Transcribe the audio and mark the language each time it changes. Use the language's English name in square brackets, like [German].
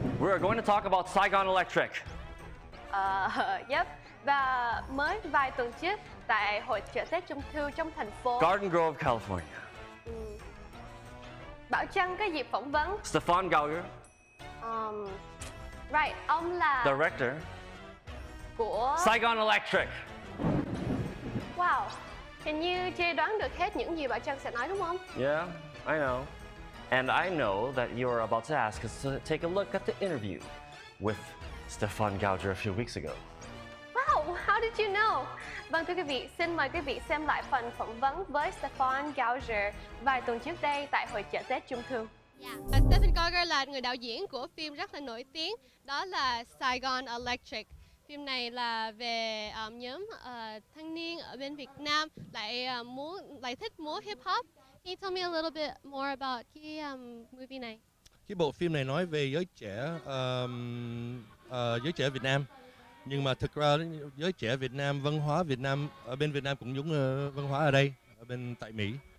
[English] We are going to talk about Saigon Electric. Yep. [Vietnamese] Và mới vài tuần trước tại hội chợ Tết Trung thu trong thành phố Garden Grove, California. Bảo Trân có dịp phỏng vấn Stefan Gallagher. Right, ông là [English] director [Vietnamese] của Saigon Electric. Wow, hình như Jay đoán được hết những gì Bảo Trân sẽ nói đúng không? [English] Yeah, I know. And I know that you are about to ask us to take a look at the interview with Stefan Gallagher a few weeks ago. Wow, how did you know? [Vietnamese] Vâng thưa quý vị, xin mời quý vị xem lại phần phỏng vấn với Stefan Gallagher vài tuần trước đây tại hội chợ Tết Trung thu. [English] Yeah. [Vietnamese] Stefan Gallagher là người đạo diễn của phim rất là nổi tiếng, đó là Saigon Electric. Phim này là về nhóm thanh niên ở bên Việt Nam lại thích múa hip hop. [English] Can you tell me a little bit more about cái movie này? [Vietnamese] Cái bộ phim này nói về giới trẻ Việt Nam. Nhưng mà thực ra giới trẻ Việt Nam, văn hóa Việt Nam ở bên Việt Nam cũng giống văn hóa ở đây, ở bên tại Mỹ.